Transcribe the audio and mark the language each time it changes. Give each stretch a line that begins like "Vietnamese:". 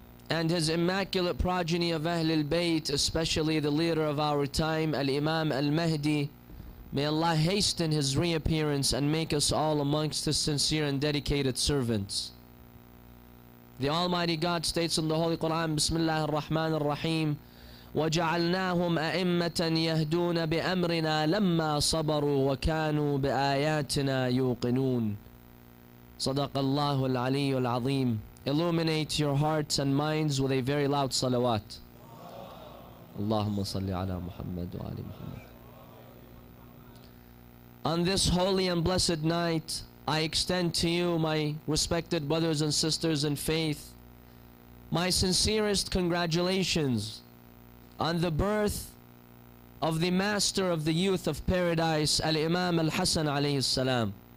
English: And his immaculate progeny of Ahlul Bayt, especially the leader of our time, Al-Imam Al-Mahdi, may Allah hasten his reappearance and make us all amongst his sincere and dedicated servants. The Almighty God states in the Holy Quran, Bismillah ar-Rahman ar-Rahim,
Arabic: وَجَعَلْنَاهُمْ أَئِمَّةً يَهْدُونَ بِأَمْرِنَا لَمَّا صَبَرُوا وَكَانُوا بِآيَاتِنَا يُوقِنُونَ صدق الله العلي العظيم.
English: Illuminate your hearts and minds with a very loud salawat.
Arabic: Allahumma salli ala Muhammad wa ali Muhammad.
English: On this holy and blessed night, I extend to you, my respected brothers and sisters in faith, my sincerest congratulations on the birth of the master of the youth of paradise, Al-Imam Al-Hassan alayhi salam.